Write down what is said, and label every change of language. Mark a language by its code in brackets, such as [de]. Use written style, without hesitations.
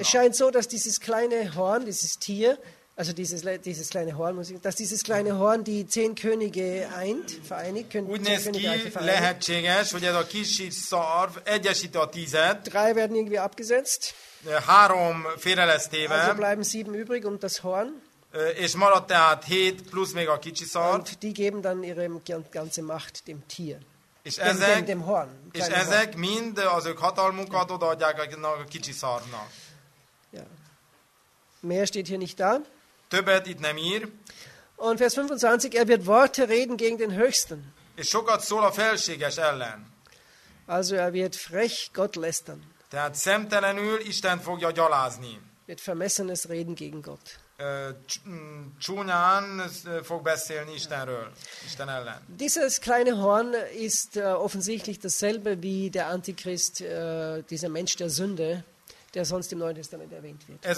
[de] Es scheint so, dass dieses kleine Horn, dieses Tier, also dieses kleine Horn, dass dieses kleine Horn die 10 Könige eint, vereinigt. [hu] Úgy néz ki, lehetséges, hogy ez a kisi szarv egyesíti a 10-et. [de] 3 werden irgendwie abgesetzt. [hu] 3 félre lesz téve. [de] Also bleiben 7 übrig und das Horn. [hu] És maradt tehát 7 plusz még a kicsi szarv. [de] Und die geben dann ihre ganze Macht dem Tier. [hu] És ezek, mind az ők hatalmukat odaadják a kicsi szarvnak. [de] Ja. Mehr steht hier nicht da. [hu] Többet itt nem ír. [de] Und Vers 25, er wird Worte reden gegen den Höchsten. [hu] És sokat szól a felséges ellen. [de] Also er wird frech Gott lästern. [hu] Tehát szemtelenül Istent fogja gyalázni. [de] Wird vermessenes reden gegen Gott. [hu] Csúnyán fog beszélni Istenről, Isten ellen. [de] Dieses kleine Horn ist offensichtlich dasselbe wie der Antichrist, dieser Mensch der Sünde, der sonst im Neuen Testament erwähnt wird.